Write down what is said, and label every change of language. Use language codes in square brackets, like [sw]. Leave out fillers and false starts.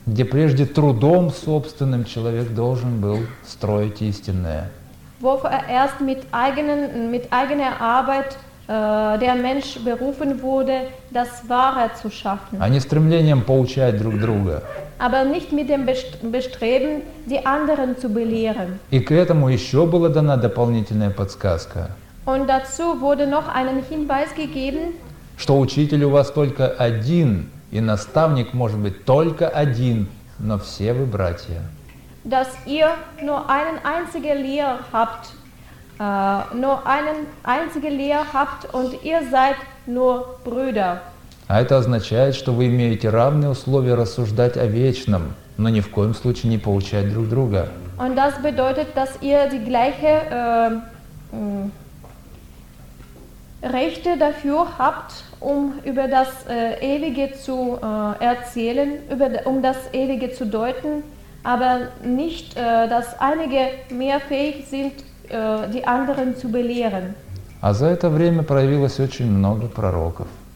[ru] Где прежде трудом собственным человек должен был строить истинное. [de] Wo erst mit eigener Arbeit der Mensch berufen wurde, das Wahre zu schaffen. [ru] А не стремлением поучать друг друга. [de] Aber nicht mit dem Bestreben, die anderen zu belehren. [ru] И к этому еще была дана дополнительная подсказка. [de] Und dazu wurde noch einen Hinweis gegeben, [ru] что учитель у вас только один, и наставник может быть только один, но все вы братья. [de] Dass ihr nur einen einzigen Lehrer habt, und ihr seid nur Brüder. [ru] А это означает, что вы имеете равные условия рассуждать о вечном, но ни в коем случае не поучать друг друга. [de] Und das bedeutet, dass ihr die gleiche Rechte dafür habt, über das Ewige zu erzählen, das Ewige zu deuten, aber nicht, dass einige mehr fähig sind, die anderen zu belehren. [ru] А за это время проявилось очень много пророков.